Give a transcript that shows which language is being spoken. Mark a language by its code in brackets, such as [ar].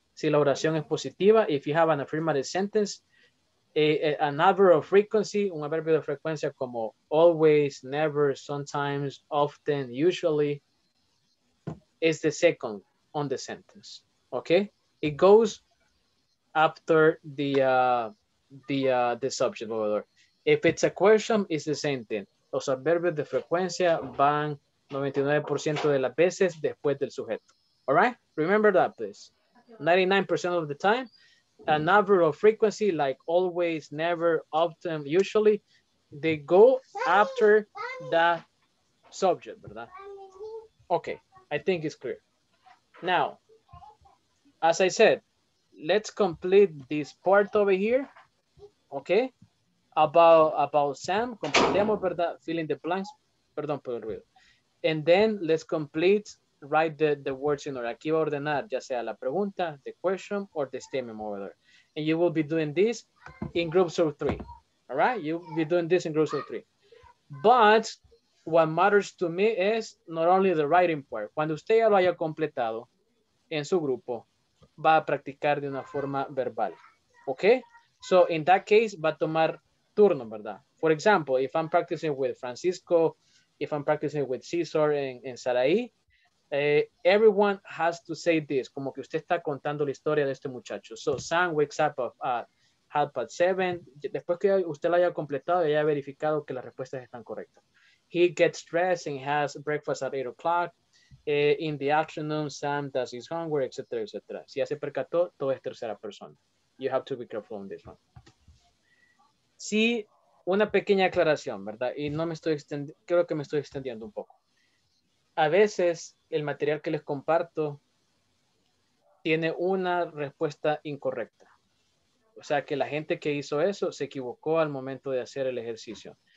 [es] Si la oración es positiva, [en] if you have an affirmative sentence, an adverb of frequency, [es] un adverbio de frecuencia como [en] always, never, sometimes, often, usually, is the second on the sentence, okay? It goes after the subject order. If it's a question, it's the same thing. [es] Los adverbios de frecuencia van 99% de las veces después del sujeto. [en] All right? Remember that, please. 99% of the time, an adverb of frequency, like always, never, often, usually, they go after the subject, [es] ¿verdad? [en] Okay, I think it's clear. Now, as I said, let's complete this part over here, okay? About Sam, [es] completemos, ¿verdad? [en] Fill in the blanks, [es] perdón por el ruido. [en] And then let's complete, write the words in order. [es] Aquí va a ordenar, ya sea la pregunta, [en] the question, or the statement over there. And you will be doing this in groups of three, all right? You'll be doing this in groups of three. But what matters to me is not only the writing part. [es] Cuando usted ya lo haya completado en su grupo, va a practicar de una forma verbal, okay? [en] So in that case, [es] va a tomar turno, ¿verdad? [en] For example, if I'm practicing with Francisco, if I'm practicing with Cesar and Sarai, everyone has to say this, [es] como que usted está contando la historia de este muchacho. [en] So Sam wakes up at 7:30, [es] después que usted la haya completado y haya verificado que las respuestas están correctas. [en] He gets dressed and has breakfast at 8:00. In the afternoon, Sam does his homework, etc., etc. [es] Si ya se percató, todo es tercera persona. [en] You have to be careful on this one. [es] Sí, una pequeña aclaración, ¿verdad? Y no me estoy extendiendo, creo que me estoy extendiendo un poco. A veces, el material que les comparto tiene una respuesta incorrecta. O sea, que la gente que hizo eso se equivocó al momento de hacer el ejercicio.